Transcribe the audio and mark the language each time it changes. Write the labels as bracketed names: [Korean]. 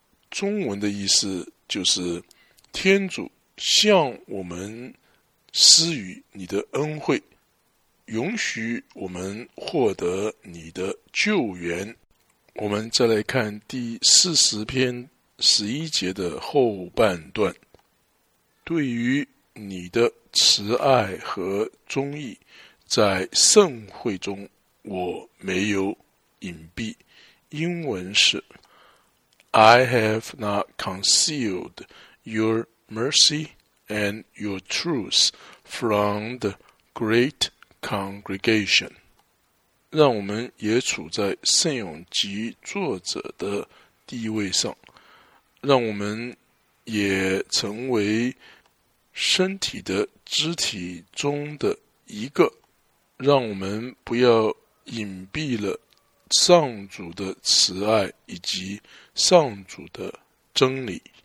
[Chinese] 中文的意思就是，天主向我们施予你的恩惠，允许我们获得你的救援。我们再来看第40篇11节的后半段，对于你的慈爱和忠义，在圣会中我没有隐蔽。英文是 [English] I have not concealed your mercy and your truth from the great congregation。 [Chinese] 让我们也处在圣咏集作者的地位上，让我们也成为身体的肢体中的一个，让我们不要隐蔽了上主的慈爱以及上主的真理。